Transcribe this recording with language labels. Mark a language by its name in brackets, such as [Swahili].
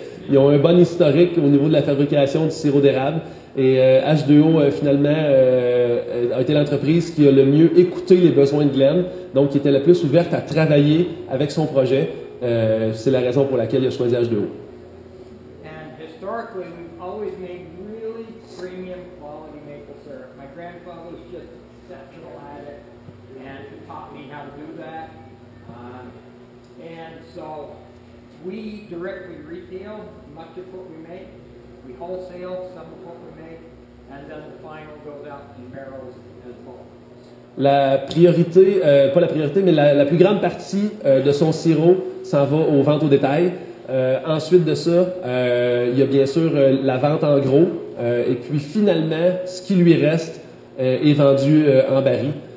[French] Ils ont un bon historique au niveau de la fabrication du sirop d'érable. Et H2O, finalement, a été l'entreprise qui a le mieux écouté les besoins de Glenn, donc qui était la plus ouverte à travailler avec son projet. C'est la raison pour laquelle il a choisi H2O. [English] And historically, we've always made really premium quality maple syrup. My grandfather was just exceptional at it, and he taught me how to do that. And so we directly retail much of what we make. We wholesale some of what we make, and then the final goes out in barrels as bulk. [French] La priorité, pas la priorité, mais la plus grande partie de son sirop s'en va aux ventes au détail. Ensuite de ça, il y a bien sûr la vente en gros, et puis finalement, ce qui lui reste est vendu en baril.